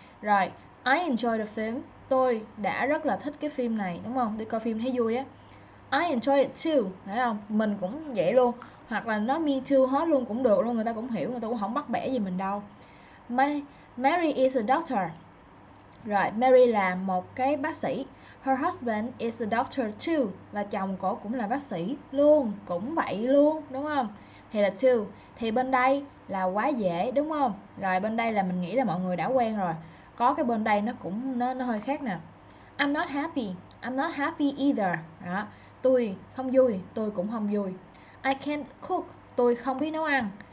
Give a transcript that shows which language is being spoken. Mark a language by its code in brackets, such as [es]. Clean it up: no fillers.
[vi] Rồi, I enjoy the film. Tôi đã rất là thích cái phim này, đúng không? Đi coi phim thấy vui á. I enjoy it too, thấy không? Mình cũng vậy luôn. Hoặc là nó me too hết luôn cũng được luôn. Người ta cũng hiểu, người ta cũng không bắt bẻ gì mình đâu. Mary is a doctor. Rồi, Mary là một cái bác sĩ. [en] Her husband is a doctor too. [vi] Và chồng cô cũng là bác sĩ luôn. Cũng vậy luôn, đúng không? Thì là to. Thì bên đây là quá dễ, đúng không? Rồi bên đây là mình nghĩ là mọi người đã quen rồi. Có cái bên đây nó cũng nó hơi khác nè. I'm not happy. I'm not happy either. Đó. Tôi không vui, tôi cũng không vui. I can't cook. Tôi không biết nấu ăn.